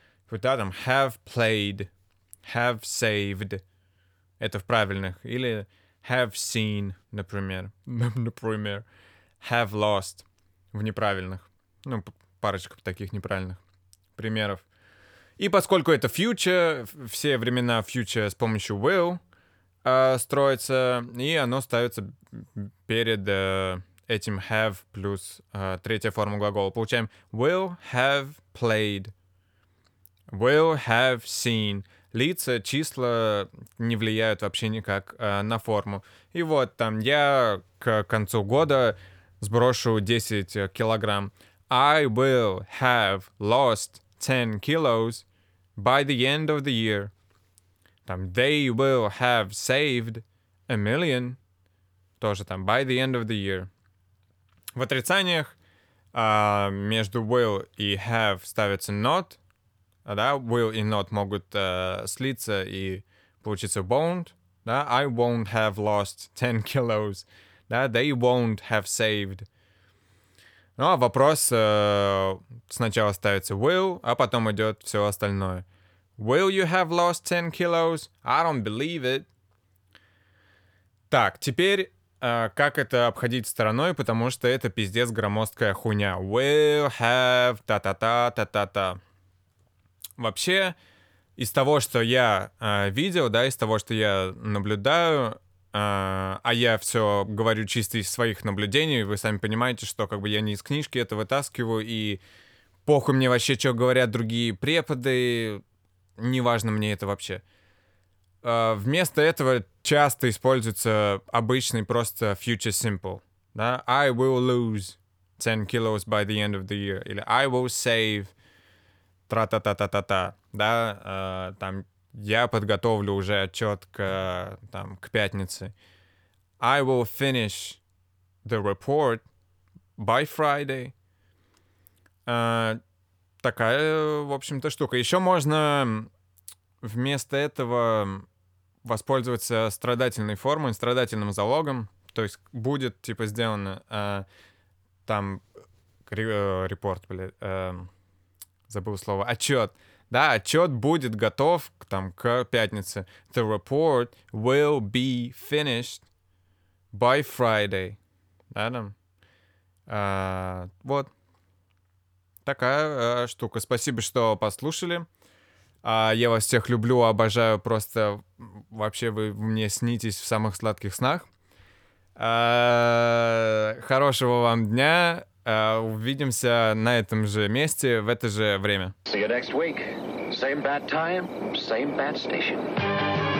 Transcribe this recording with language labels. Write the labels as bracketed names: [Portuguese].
[Russian] Вот там [English] have played, have saved, [Russian] это в правильных, или [English] have seen, [Russian] например, например, [English] have lost [Russian] в неправильных, ну, парочка таких неправильных примеров. И поскольку это future, все времена future с помощью will строится, и оно ставится перед этим have плюс третья форма глагола. Получаем [English] will have played, will have seen. [Russian] Лица, числа не влияют вообще никак на форму. И вот там я к концу года сброшу 10 килограмм. [English] I will have lost 10 kilos. By the end of the year, там, they will have saved 1 000 000, тоже там, by the end of the year. [Russian] В отрицаниях между will и have ставится not, да, will и not могут слиться и получится won't, да, [English] I won't have lost 10 kilos, [Russian] да, [English] they won't have saved. [Russian] Ну а вопрос сначала ставится will, а потом идет все остальное. [English] Will you have lost 10 kilos? I don't believe it. [Russian] Так, теперь как это обходить стороной, потому что это пиздец громоздкая хуйня. [English] Will have та-та-та-та-та-та. [Russian] Вообще, из того, что я видел, да, из того, что я наблюдаю, а я все говорю чисто из своих наблюдений, вы сами понимаете, что как бы я не из книжки это вытаскиваю, и похуй мне вообще, что говорят другие преподы, неважно мне это вообще. Вместо этого часто используется обычный просто future simple, да? [English] I will lose 10 kilos by the end of the year, или I will save, тра-та-та-та-та-та, да, там, [Russian] я подготовлю уже отчет к, там, к пятнице. [English] I will finish the report by Friday. [Russian] Такая, в общем-то, штука. Еще можно вместо этого воспользоваться страдательной формой, страдательным залогом. То есть будет, типа, сделано там репорт, забыл слово, отчет. Да, отчет будет готов там, к пятнице. [English] The report will be finished by Friday. [Russian] Да, там. Вот. Такая штука. Спасибо, что послушали. Я вас всех люблю, обожаю. Просто вообще вы мне снитесь в самых сладких снах. Хорошего вам дня. Увидимся на этом же месте в это же время. [English] See you next week. Same bad time, same bad station.